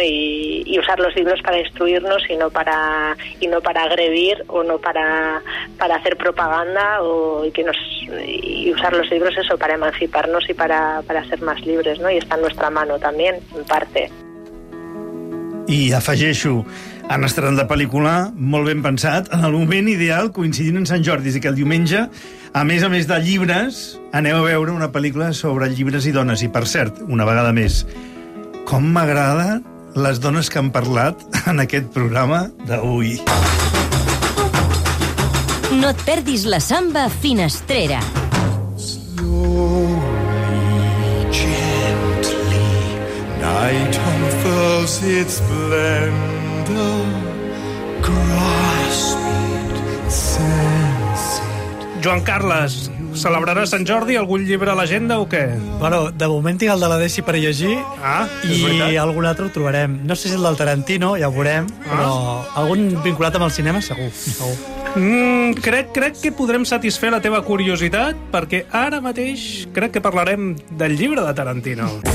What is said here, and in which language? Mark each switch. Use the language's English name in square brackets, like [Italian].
[Spanish] Y usar los libros para instruirnos y no para agredir o no para hacer propaganda, y usar los libros eso para emanciparnos y para ser más libres, ¿no? Y está en nuestra mano también, en parte. [Catalan] I afegeixo, Han estrenat la pel·lícula, molt ben pensat, en el moment ideal, coincidint en Sant Jordi, i que el diumenge, a més de llibres, aneu a veure una pel·lícula sobre llibres i dones. I, per cert, una vegada més, com m'agrada les dones que han parlat en aquest programa d'avui. No et perdis la samba finestrera. [English] Night unfurls its splendor, grasp it, sense it. [Catalan] Joan Carles, celebrarà Sant Jordi algun llibre a l'agenda o què? Bueno, de moment tinc el de la Deixi per llegir. Ah, i algun altre ho trobarem. No sé si el del Tarantino, ja ho veurem, però algun vinculat amb el cinema segur, segur. Crec que podrem satisfer la teva curiositat, perquè ara mateix crec que parlarem del llibre de Tarantino.